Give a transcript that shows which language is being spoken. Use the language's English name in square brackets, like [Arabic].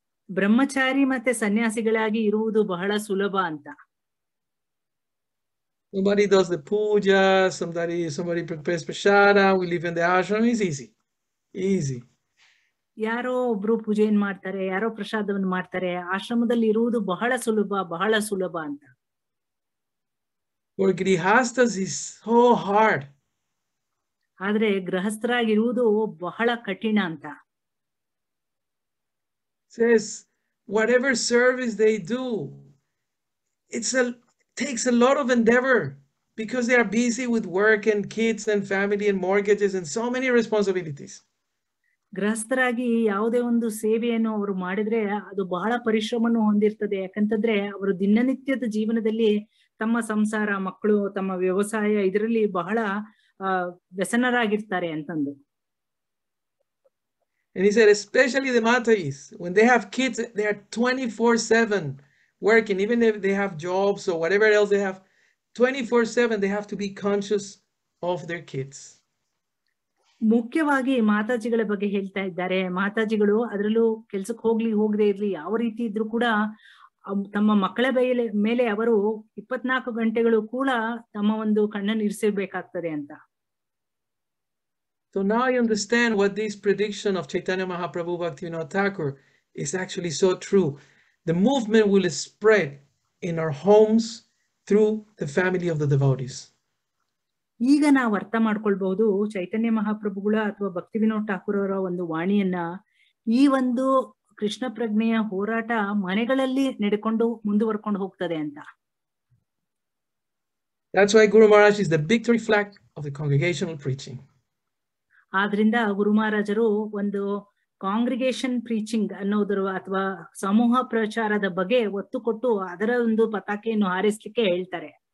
[Kannada] ಬ್ರಹ್ಮಚಾರಿ ಮತ್ತೆ ಸನ್ಯಾಸಿಗಳಾಗಿ ಇರುವುದು ಬಹಳ ಸುಲಭ ಅಂತ. [English] Somebody does the puja, somebody prepares prasada, we live in the ashram, it's easy. [Kannada] ಯಾರೋ ಒಬ್ರು ಪೂಜೆಯನ್ನು ಮಾಡ್ತಾರೆ, ಯಾರೋ ಪ್ರಸಾದವನ್ನು ಮಾಡ್ತಾರೆ, ಆಶ್ರಮದಲ್ಲಿ ಇರುವುದು ಬಹಳ ಸುಲಭ, ಬಹಳ ಸುಲಭ ಅಂತ. [English] For grihasthas is so hard. [Kannada] ಆದ್ರೆ ಗೃಹಸ್ಥರಾಗಿರುವುದು ಬಹಳ ಕಠಿಣ ಅಂತ. [English] Says whatever service they do, it takes a lot of endeavor because they are busy with work and kids and family and mortgages and so many responsibilities. [Kannada] ಗ್ರಸ್ತರಾಗಿ ಯಾವುದೇ ಒಂದು ಸೇವೆಯನ್ನು ಅವರು ಮಾಡಿದ್ರೆ ಅದು ಬಹಳ ಪರಿಶ್ರಮವನ್ನು ಹೊಂದಿರ್ತದೆ. ಯಾಕಂತಂದ್ರೆ ಅವರು ದಿನನಿತ್ಯದ ಜೀವನದಲ್ಲಿ ತಮ್ಮ ಸಂಸಾರ, ಮಕ್ಕಳು, ತಮ್ಮ ವ್ಯವಸಾಯ ಇದರಲ್ಲಿ ಬಹಳ ವ್ಯಸನರಾಗಿರ್ತಾರೆ ಅಂತಂದು. [English] And he said, especially the Matais, when they have kids, they are 24/7 working, even if they have jobs or whatever else they have, 24/7 they have to be conscious of their kids. [Kannada] ಮುಖ್ಯವಾಗಿ ಮಾತಾಜಿಗಳ ಬಗ್ಗೆ ಹೇಳ್ತಾ ಇದ್ದಾರೆ. ಮಾತಾಜಿಗಳು ಅದರಲ್ಲೂ ಕೆಲ್ಸಕ್ಕೆ ಹೋಗ್ಲಿ ಹೋಗದೆ ಇರ್ಲಿ ಯಾವ ರೀತಿ ಇದ್ರು ಕೂಡ ತಮ್ಮ ಮಕ್ಕಳ ಮೇಲೆ ಅವರು 24 ಗಂಟೆಗಳು ಕೂಡ ತಮ್ಮ ಒಂದು ಕಣ್ಣನ್ನು ಇರಿಸಬೇಕಾಗ್ತದೆ ಅಂತ. [English] So now I understand what this prediction of Chaitanya Mahaprabhu Bhaktivinoda Thakur is actually so true. The movement will spread in our homes through the family of the devotees. [Kannada] ಈಗ ನಾವು ಅರ್ಥ ಮಾಡ್ಕೊಳ್ಬಹುದು ಚೈತನ್ಯ ಮಹಾಪ್ರಭುಗಳ ಅಥವಾ ಭಕ್ತಿ ವಿನೋದ್ ಠಾಕೂರ್ ಅವರ ಒಂದು ವಾಣಿಯನ್ನ, ಈ ಒಂದು ಕೃಷ್ಣ ಪ್ರಜ್ಞೆಯ ಹೋರಾಟ ಮನೆಗಳಲ್ಲಿ ನಡ್ಕೊಂಡು ಮುಂದುವರ್ಕೊಂಡು ಹೋಗ್ತದೆ ಅಂತ. [English] That's why Guru Maharaj is the victory flag of the congregational preaching. [Kannada] ಆದ್ರಿಂದ ಗುರು ಮಹಾರಾಜರು ಒಂದು ಕಾಂಗ್ರಿಗೇಷನ್ ಪ್ರೀಚಿಂಗ್ ಅನ್ನೋದ್ರ ಅಥವಾ ಸಮೂಹ ಪ್ರಚಾರದ ಬಗ್ಗೆ ಒತ್ತು ಕೊಟ್ಟು ಅದರ ಒಂದು ಪತಾಕೆಯನ್ನು ಹಾರಿಸಲಿಕ್ಕೆ ಹೇಳ್ತಾರೆ.